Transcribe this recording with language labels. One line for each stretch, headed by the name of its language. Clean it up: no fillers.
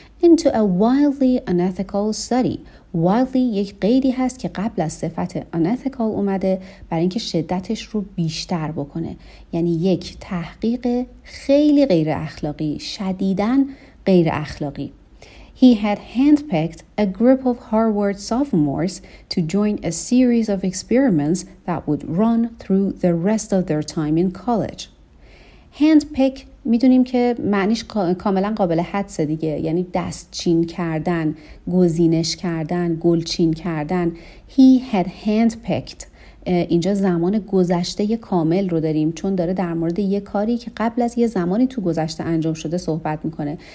English: Into a wildly unethical study.
Persian: Wildly یک قیدی هست که قبل از صفت unethical اومده برای اینکه شدتش رو بیشتر بکنه. یعنی یک تحقیق خیلی غیر اخلاقی، شدیداً غیر اخلاقی.
English: He had handpicked a group of Harvard sophomores to join a series of experiments that would run through the rest of their time in college.
Persian: Handpick میدونیم که معنیش کاملا قابل حدسه دیگه، یعنی دستچین کردن، گزینش کردن، گلچین کردن.
English: He had handpicked.
Persian: اینجا زمان گذشته کامل رو داریم چون داره در مورد یه کاری که قبل از یه زمانی تو گذشته انجام شده صحبت میکنه.